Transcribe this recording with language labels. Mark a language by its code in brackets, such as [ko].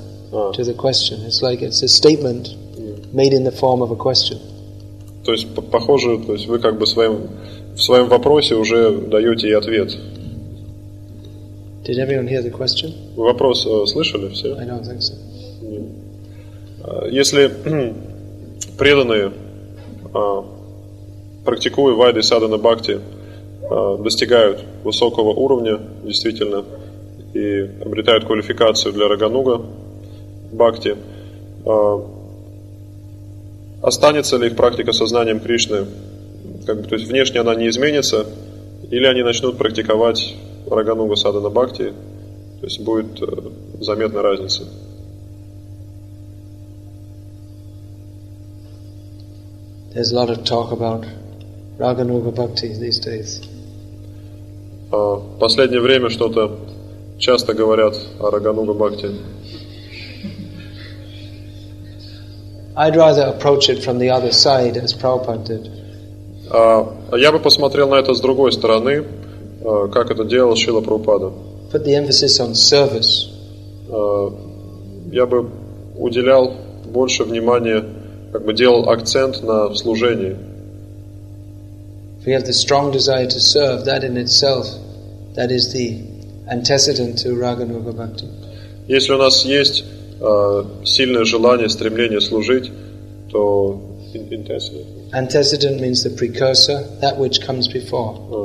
[en] To the question. It's like it's a statement made in the form of a question. [ru] То есть похоже, то есть вы как бы в своем вопросе уже даете и ответ. [en] Did everyone hear the question? [ru] Вопрос слышали все? [en] I don't think so. [ru] Если преданные, практикуя Вайды Садхана Бхакти, достигают высокого уровня, действительно, и обретают квалификацию для Рагануга Бхакти, останется ли их практика сознанием Кришны, как бы, то есть внешне она не изменится, или они начнут практиковать Рагануга Садхана Бхакти, то есть будет заметна разница? [en] There's a lot of talk about Raganuga Bhakti these days. [ru] В последнее время что-то часто говорят о Рагануга Бхакти. [en] I'd rather approach it from the other side, as Prabhupada did. [ru] Я бы посмотрел на это с другой стороны, как это делал Шрила Прабхупада. [en] Put the emphasis on service. [ru] Я бы уделял больше внимания, как бы делал акцент на служении. [en] If we have the strong desire to serve, that in itself, that is the antecedent to Raganuga Bhakti. [ru] Если у нас есть сильное желание, стремление служить, то [en] antecedent means the precursor, that which comes before.